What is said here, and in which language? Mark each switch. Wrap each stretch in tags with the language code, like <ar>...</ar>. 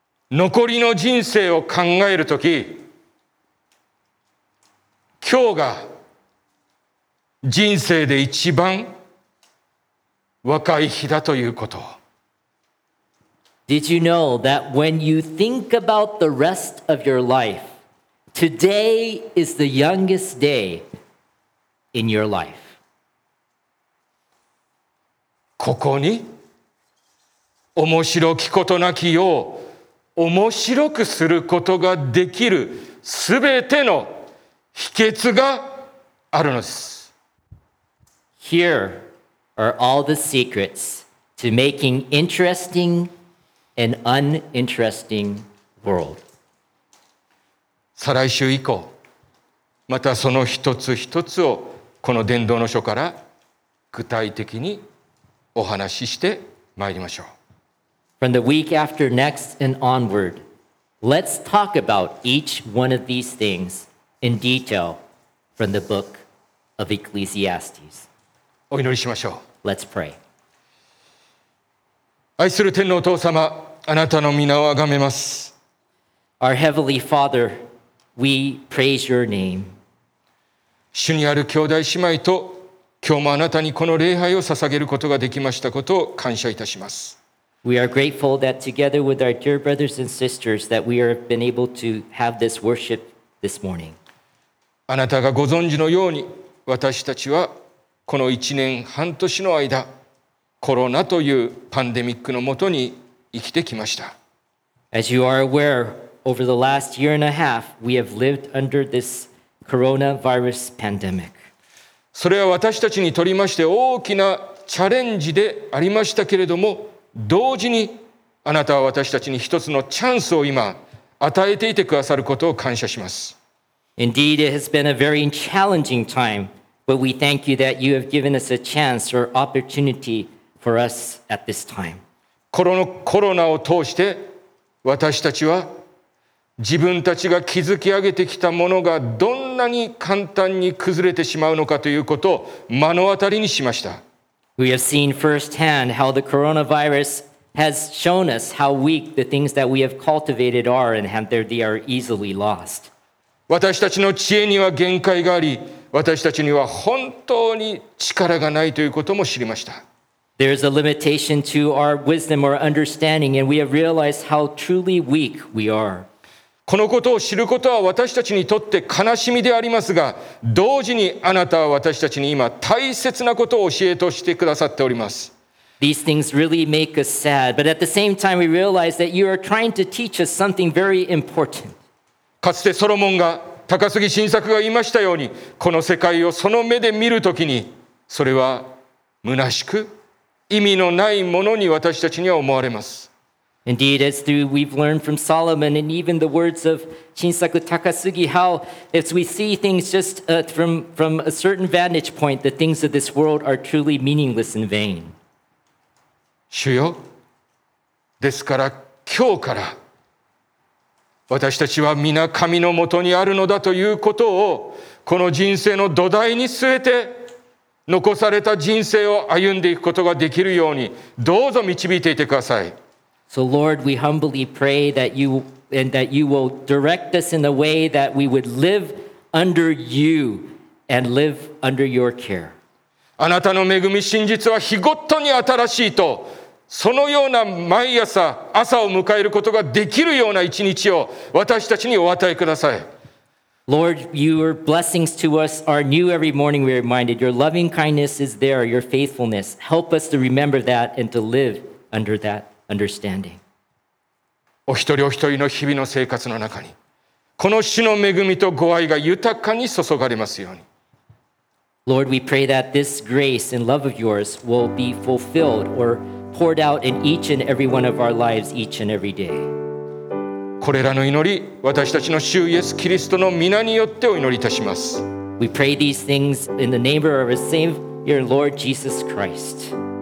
<ja>残りの人生を考えるとき、今日が人生で一番若い日だということ。</ja> <en>Did you know that when you think about the rest of your life, today is the youngest day in your life?</en> <ja>ここに面白きことなきよう面白くすることができるすべての秘訣があるのです。</ja> <en>Here are all the secrets to making interesting an uninteresting world.</en> <ja>再来週以降、またその一つ一つをこの伝道の書から具体的にお話ししてまいりましょう。</ja> <en>From the week after next and onward, let's talk about each one of these things in detail from the book of Ecclesiastes.</en> <ja>お祈りしましょう。</ja> <en>Let's pray.</en> <ja>愛する天のお父様、あなたの皆をあがめます。</ja> <en>Our Heavenly Father, we praise your name.</en> <ja>主にある兄弟姉妹と今日もあなたにこの礼拝を捧げることができましたことを感謝いたします。</ja> <en>We are grateful that together with our dear brothers and sisters that we have been able to have this worship this morning.</en> <ja>あなたがご存知のように私たちはこの1年半年の間コロナというパンデミックのもとに生きてきました。</ja> <en>As you are aware, over the last year and a half, we have lived under this coronavirus pandemic.</en> <ja>それは私たちにとりまして大きなチャレンジでありましたけれども同時にあなたは私たちに一つのチャンスを今与えていてくださることを感謝します。</ja> <en>Indeed, it has been a very challenging time, but we thank you that you have given us a chance or opportunity for us at this time.</en> <ja>コロナを通して私たちは自分たちが築き上げてきたものがどんなに簡単に崩れてしまうのかということを目の当たりにしました。</ja> <en>We have seen firsthand how the coronavirus has shown us how weak the things that we have cultivated are and how they are easily lost.</en> <ja>私たちの知恵には限界があり、私たちには本当に力がないということも知りました。</ja> <en>There is a limitation to our wisdom or understanding and we have realized how truly weak we are.</en> <ja>このことを知ることは私たちにとって悲しみでありますが、同時にあなたは私たちに今大切なことを教えとしてくださっております。</ja> <en>These things really make us sad, but at the same time we realize that you are trying to teach us something very important.</en> <ja>かつてソロモンが、高杉晋作が言いましたように、この世界をその目で見るときに、それは虚しく意味のないものに私たちには思われます。</ja> <en>Indeed, as we've learned from Solomon and even the words of Shinsaku Takasugi, how as we see things just from a certain vantage point, the things of this world are truly meaningless and vain.</en> <ja>主よ、ですから今日から私たちは皆神のもとにあるのだということをこの人生の土台に据えて残された人生を歩んでいくことができるようにどうぞ導いていてください。</ja> <en>So Lord, we humbly pray that you and that you will direct us in a way that we would live under you and live under your care.</en> <ja>あなたの恵み真実は日ごとに新しいと、そのような毎朝朝を迎えることができるような一日を私たちにお与えください。</ja> <en>Lord, your blessings to us are new every morning. We are reminded your loving kindness is there, your faithfulness. Help us to remember that and to live under that. Understanding.</en> <ja>お一人お一人の日々の生活の中にこの主の恵みとご愛が豊かに注がれますように。</ja> <en>Lord, we pray that this grace and love of yours will be fulfilled or poured out in each and every one of our lives each and every day.</en> <ja>これらの祈り、私たちの主イエス・キリストの御名によってお祈りいたします。</ja> <en>We pray these things in the name of our Savior, Lord Jesus Christ.</en>